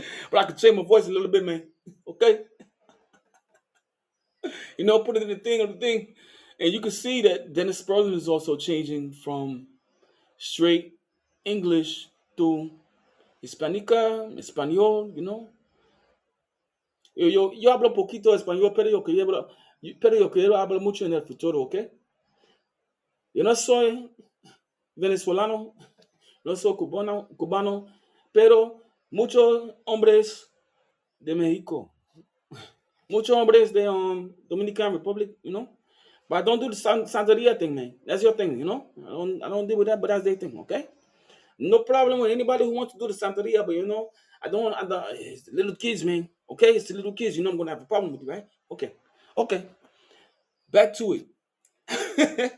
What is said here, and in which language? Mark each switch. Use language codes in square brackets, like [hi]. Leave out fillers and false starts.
[en] But I can change my voice a little bit, man. Okay? You know, put it in the thing of the thing. And you can see that Dennis Spurling is also changing from straight English to Hispanica, Espanol, you know. [es] Yo hablo poquito español, pero yo quiero hablar mucho en el futuro, ¿ok? Yo no soy venezolano, no soy cubano, pero muchos hombres de México, muchos hombres de Dominican Republic, [en] you know. But I don't do the Santeria thing, man. That's your thing, you know. I don't deal with that, but that's their thing, okay? No problem with anybody who wants to do the Santeria, but you know, it's the little kids, man. Okay, it's the little kids. You know I'm going to have a problem with you, right? Okay. Back to it.